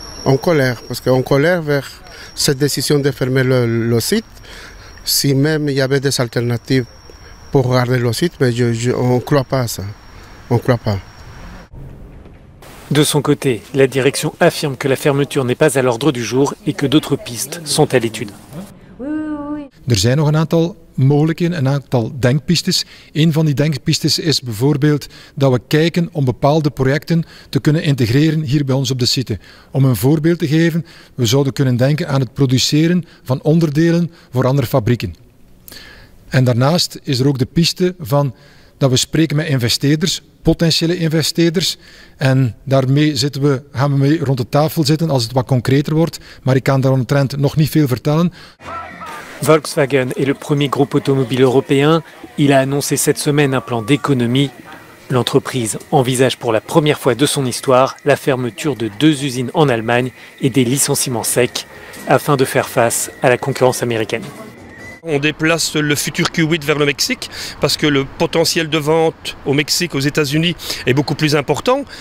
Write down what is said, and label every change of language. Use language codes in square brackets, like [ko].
[fr] En colère, parce qu'en colère vers cette décision de fermer le site, si même il y avait des alternatives pour garder le site, mais on ne croit pas à ça. On ne croit pas. De son côté, la direction affirme que la fermeture n'est pas à l'ordre du jour et que d'autres pistes sont à l'étude. [nl] Er zijn nog een aantal mogelijkheden, een aantal denkpistes. Een van die denkpistes is bijvoorbeeld dat we kijken om bepaalde projecten te kunnen integreren hier bij ons op de site. Om een voorbeeld te geven, we zouden kunnen denken aan het produceren van onderdelen voor andere fabrieken. En daarnaast is er ook de piste van dat we spreken met investeerders, potentiële investeerders. En daarmee gaan we mee rond de tafel zitten als het wat concreter wordt. Maar ik kan daaromtrent nog niet veel vertellen. [fr] Volkswagen est le premier groupe automobile européen. Il a annoncé cette semaine un plan d'économie. L'entreprise envisage pour la première fois de son histoire la fermeture de 2 usines en Allemagne et des licenciements secs afin de faire face à la concurrence américaine. On déplace le futur Q8 vers le Mexique parce que le potentiel de vente au Mexique, aux États-Unis, est beaucoup plus important.